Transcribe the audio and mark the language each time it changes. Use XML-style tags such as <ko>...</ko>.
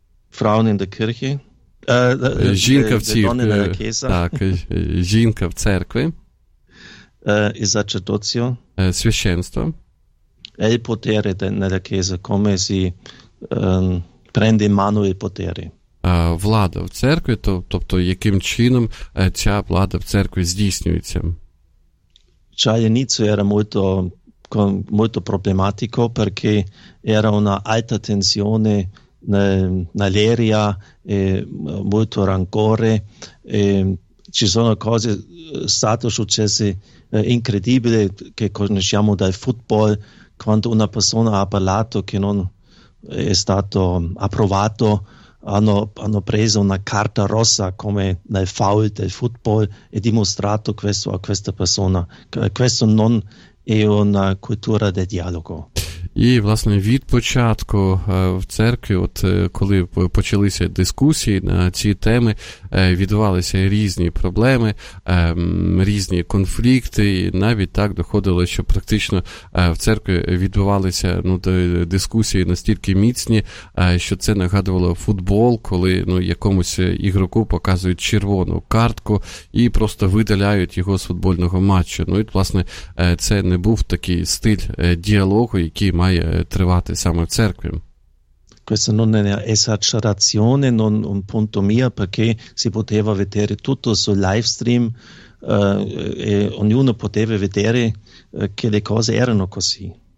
<de>Фрауни in der Kirche.</de> <uk>Жінка в церкві. Так, жінка в церкві.</uk> <it>І sacerdozio.</it> <uk>Священство.</uk> <it>E il potere nella Chiesa, come si prende in mano il potere.</it> <uk>Влада в церкві, тобто яким чином ця влада в церкві здійснюється.</uk> <it>All'inizio era molto molto problematico perché era una alta tensione nell'area e molto rancore e ci sono cose state successe incredibili che conosciamo dal football quando una persona ha parlato che non è stato approvato hanno preso una carta rossa come nel foul del football e dimostrato questo a questa persona questo non і вона культура де діалогу.</it> <uk>І, власне, від початку в церкві, от коли почалися дискусії на ці теми, відбувалися різні проблеми, різні конфлікти, і навіть так доходило, що практично в церкві відбувалися, ну, дискусії настільки міцні, що це нагадувало футбол, коли, ну, якомусь ігроку показують червону картку і просто видаляють його з футбольного матчу. Ну, і, власне, це не був такий стиль діалогу, який має тривати саме в церкві.</uk> <it>Questa non è un'esagerazione, non un punto mio, perché si poteva vedere tutto sul live stream e ognuno poteva vedere che le cose erano così.</it>